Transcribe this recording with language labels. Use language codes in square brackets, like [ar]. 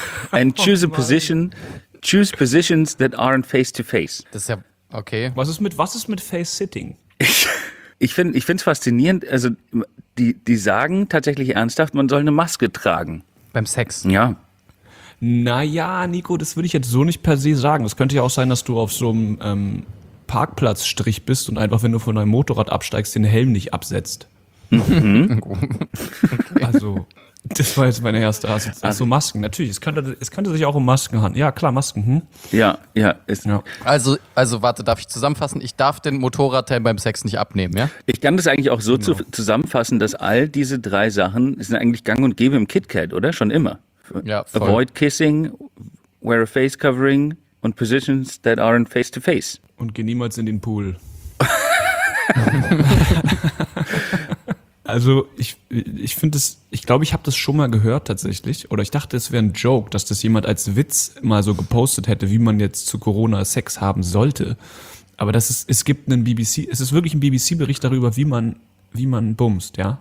[en] And choose positions that aren't face-to-face. [de] Das ist ja, okay. Was ist mit Face-Sitting? Ich find's faszinierend, also die sagen tatsächlich ernsthaft, man soll eine Maske tragen. Beim Sex? Ja. Naja, Nico, das würde ich jetzt so nicht per se sagen. Es könnte ja auch sein, dass du auf so einem Parkplatzstrich bist und einfach, wenn du von deinem Motorrad absteigst, den Helm nicht absetzt. Okay. Also, das war jetzt meine erste Assoziation. Also Masken, natürlich, es könnte sich auch um Masken handeln. Ja, klar, Masken. Ja. Also, warte, darf ich zusammenfassen? Ich darf den Motorradteil beim Sex nicht abnehmen, ja? Ich kann das eigentlich auch so zusammenfassen, dass all diese drei Sachen sind eigentlich gang und gäbe im KitKat, oder? Schon immer. Ja, voll. [en] Avoid kissing, wear a face covering [de] und [en] positions that aren't face to face. [de] Und geh niemals in den Pool. Also ich habe das schon mal gehört tatsächlich, oder ich dachte, es wäre ein Joke, dass das jemand als Witz mal so gepostet hätte, wie man jetzt zu Corona Sex haben sollte. Aber es ist wirklich ein BBC-Bericht darüber, wie man bumst, ja.